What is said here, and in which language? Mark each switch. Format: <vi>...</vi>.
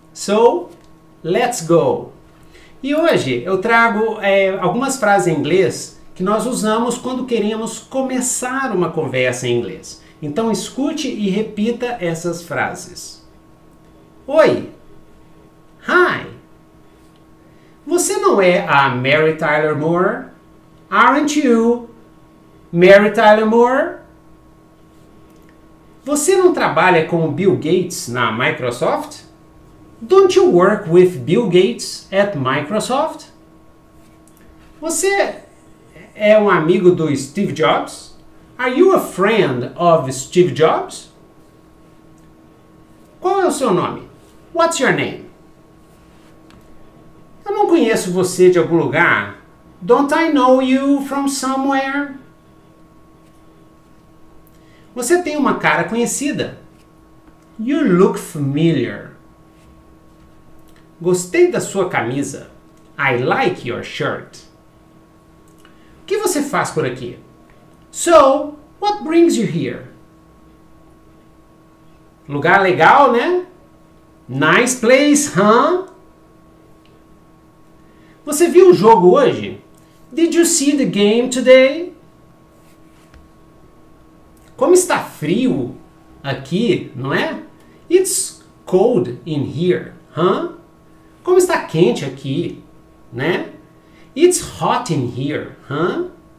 <en>So, let's go!</en> <pt>E hoje eu trago algumas frases em inglês que nós usamos quando queremos começar uma conversa em inglês. Então escute e repita essas frases. Oi! Hi! Você não é a Mary Tyler Moore?</pt> <en>Aren't you Mary Tyler Moore?</en> <pt>Você não trabalha com Bill Gates na Microsoft?</pt> <en>Don't you work with Bill Gates at Microsoft?</en> <pt>Você é um amigo do Steve Jobs?</pt> <en>Are you a friend of Steve Jobs?</en> <pt>Qual é o seu nome?</pt> <en>What's your name?</en> <pt>Eu não conheço você de algum lugar.</pt> <en>Don't I know you from somewhere?</en> <pt>Você tem uma cara conhecida.</pt> <en>You look familiar.</en> <pt>Gostei da sua camisa.</pt> <en>I like your shirt.</en> <pt>O que você faz por aqui?</pt> <en>So, what brings you here?</en> <pt>Lugar legal, né?</pt> <en>Nice place, huh?</en> <pt>Você viu o jogo hoje?</pt> <en>Did you see the game today?</en> <pt>Como está frio aqui, não é?</pt> <en>It's cold in here, huh?</en> <pt>Como está quente aqui, né?</pt> <en>It's hot in here, huh?</en>